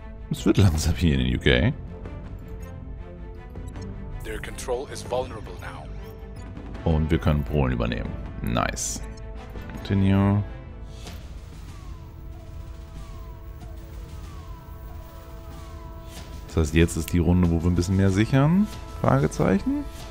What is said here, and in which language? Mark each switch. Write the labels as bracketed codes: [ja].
[de] Es wird langsam hier in den UK. [en] Their control is vulnerable now. [de] Und wir können Polen übernehmen. [en] Nice. Continue. [de] Das heißt, jetzt ist die Runde, wo wir ein bisschen mehr sichern? Fragezeichen.